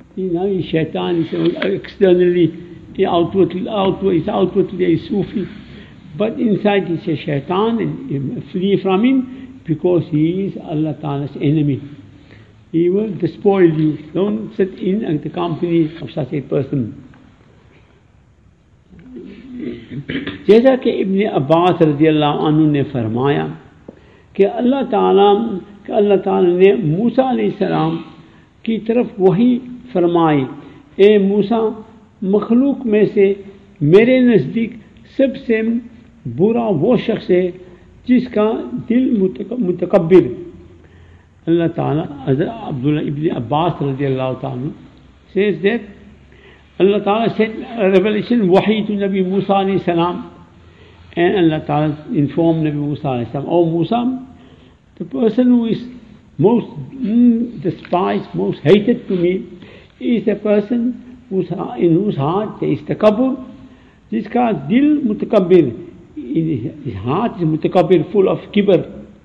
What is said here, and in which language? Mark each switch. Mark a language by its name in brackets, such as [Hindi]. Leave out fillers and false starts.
[English] You know, he's shaitan, he's externally, outwardly a Sufi. But inside he's a shaitan, and flee from him, because he is Allah Ta'ala's enemy. He will despoil you. Don't sit in the company of such a person. [Urdu] جیسا کہ ابن عباس رضی اللہ عنہ نے فرمایا کہ اللہ تعالیٰ نے موسیٰ علیہ السلام کی طرف وحی فرمائی، اے موسیٰ، مخلوق میں سے میرے نزدیک سب سے برا وہ شخص ہے جس کا دل متکبر. [English] اللہ تعالیٰ حضرت عبداللہ ابن عباس رضی اللہ تعالیٰ says that Allah Ta'ala sent a revelation, wahi, to Nabi Musa alayhi salam, and Allah Ta'ala informed Nabi Musa alayhi salam, oh Musa, the person who is most despised, most hated to me, is a person in whose heart there is takabur, this [Urdu] ka dil mutakabir, [English] in his heart is mutakabir, full of kibar,